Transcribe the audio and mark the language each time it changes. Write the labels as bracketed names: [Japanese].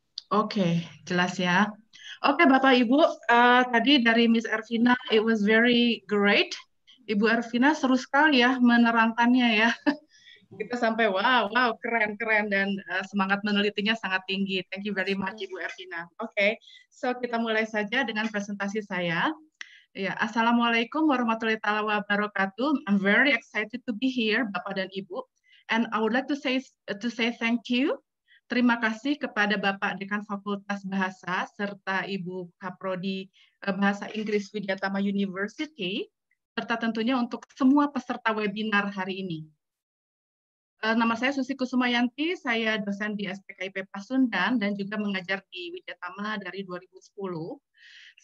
[Indonesian] Oke, okay, jelas ya. Oke, okay, Bapak Ibu, tadi dari Miss Ervina, [English] it was very great. [Indonesian] Ibu Ervina seru sekali ya menerangkannya ya. Kita sampai wow, keren, dan semangat menelitinya sangat tinggi. [English] Thank you very much, [Indonesian] Ibu Ervina. Oke, okay, so kita mulai saja dengan presentasi saya. Ya, assalamualaikum warahmatullahi wabarakatuh. [English] I'm very excited to be here, [Indonesian] Bapak dan Ibu. [English] And I would like to say thank you. [Indonesian] Terima kasih kepada Bapak Dekan Fakultas Bahasa serta Ibu Kaprodi Bahasa Inggris Widyatama University serta tentunya untuk semua peserta webinar hari ini. Nama saya Susi Kusuma Yanti, saya dosen di SPKIP Pasundan dan juga mengajar di Widyatama dari 2010.